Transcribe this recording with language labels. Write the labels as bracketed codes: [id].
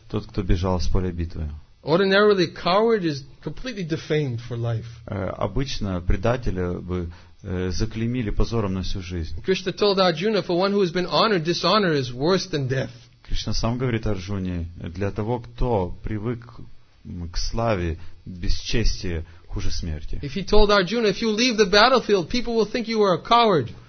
[ru] Тот, кто бежал с поля битвы. [en] Ordinarily, coward is completely defamed for life. [ru] Обычно предателя бы заклеймили позором на всю жизнь. [en] Krishna told Arjuna, for one who has been honored, dishonor is worse than death. [ru] Кришна сам говорит Арджуне: для того, кто привык к славе, бесчестие хуже смерти. [en] If he told Arjuna, if you leave the battlefield, people will think you are a coward.